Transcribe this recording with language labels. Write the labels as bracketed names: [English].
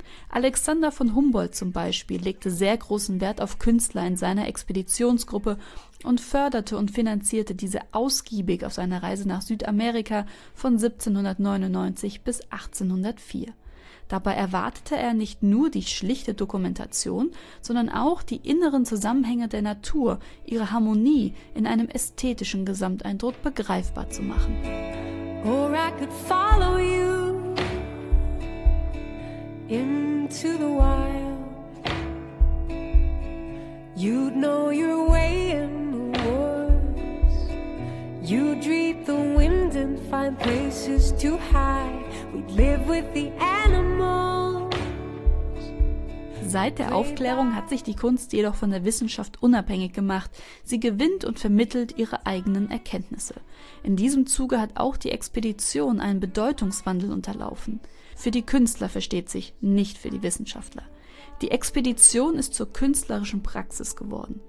[German] Alexander von Humboldt zum Beispiel legte sehr großen Wert auf Künstler in seiner Expeditionsgruppe und förderte und finanzierte diese ausgiebig auf seiner Reise nach Südamerika von 1799 bis 1804. Dabei erwartete er nicht nur die schlichte Dokumentation, sondern auch die inneren Zusammenhänge der Natur, ihre Harmonie in einem ästhetischen Gesamteindruck begreifbar zu machen. [English] Or I could follow you into the wild. You'd know your way in the woods. You'd read the wind and find places to hide. We'd live with the animals. [German] Seit der Aufklärung hat sich die Kunst jedoch von der Wissenschaft unabhängig gemacht. Sie gewinnt und vermittelt ihre eigenen Erkenntnisse. In diesem Zuge hat auch die Expedition einen Bedeutungswandel unterlaufen. Für die Künstler versteht sich, nicht für die Wissenschaftler. Die Expedition ist zur künstlerischen Praxis geworden.